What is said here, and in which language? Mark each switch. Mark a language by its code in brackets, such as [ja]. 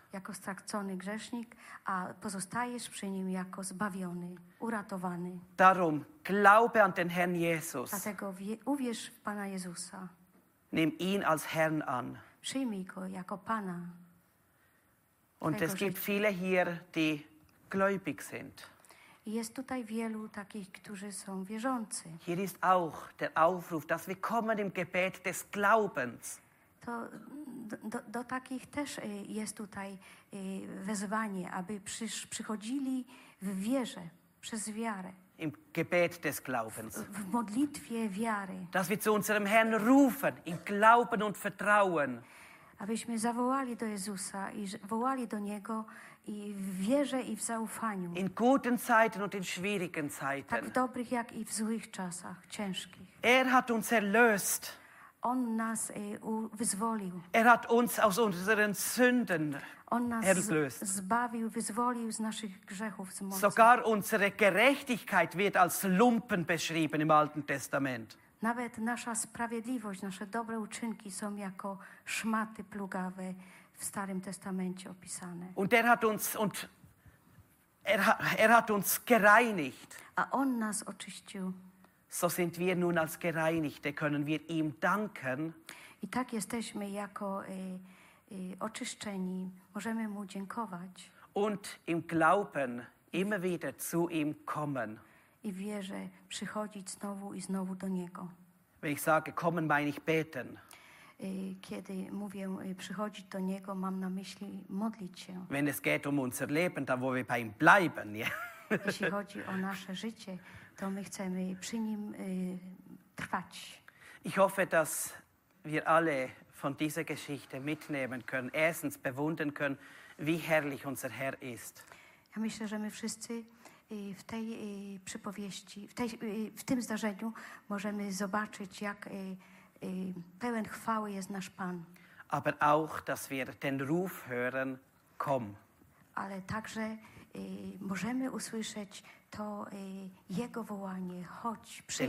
[pl] Jako stracony grzesznik, a pozostajesz przy nim jako zbawiony, uratowany. [de] Darum, glaube an den Herrn Jesus. [pl] Dlatego uwierz w Pana Jezusa. [de] Nimm ihn als Herrn an. [pl] Przyjmij go jako Pana. [de] Und es gibt viele hier, die gläubig sind. [pl] Jest tutaj wielu takich, którzy są wierzący. [de] Hier ist auch der Aufruf, dass wir kommen im Gebet des Glaubens. [pl] To do takich też jest tutaj wezwanie, aby przychodzili w wierze, przez wiarę. [de] Im Gebet des Glaubens. [pl] W modlitwie wiary. [de] Dass wir zu unserem Herrn rufen, im Glauben und Vertrauen. [pl] Abyśmy zawołali do Jezusa i wołali do Niego i w wierze i w zaufaniu. [de] In guten Zeiten und in schwierigen Zeiten. [pl] Tak w dobrych, jak i w złych czasach, ciężkich. [de] Er hat uns erlöst. [pl] On nas wyzwolił. [de] Er hat uns aus unseren Sünden erlöst. [pl] Zbawił, wyzwolił z naszych grzechów, z mocy. [de] Sogar unsere Gerechtigkeit wird als Lumpen beschrieben im Alten Testament. [pl] Nawet nasza sprawiedliwość, nasze dobre uczynki są jako szmaty plugawe w Starym Testamencie opisane. [de] Und er hat uns und er hat uns gereinigt. [pl] A on nas oczyścił. [de] So sind wir nun als Gereinigte, können wir ihm danken. [pl] I tak jesteśmy jako oczyszczeni, możemy mu dziękować. [de] Und im Glauben immer wieder zu ihm kommen. [pl] I wierzę przychodzić znowu i znowu do Niego. [de] Wenn ich sage, kommen, meine ich beten. [pl] Kiedy mówię przychodzić do Niego, mam na myśli modlić się. [de] Wenn es geht um unser Leben, dann wollen wir bei ihm bleiben. Ja? [pl] Jeśli chodzi o nasze życie, to my chcemy przy nim trwać. [de] Ich hoffe, dass wir alle von dieser Geschichte mitnehmen können, erstens bewundern können, wie herrlich unser Herr ist. [pl] Ja myślę, że my wszyscy w tej przypowieści, w tym zdarzeniu możemy zobaczyć, jak pełen chwały jest nasz Pan. [de] Aber auch, dass wir den Ruf hören, komm. [pl] Ale także możemy usłyszeć to Jego wołanie, chodź, przyjdź.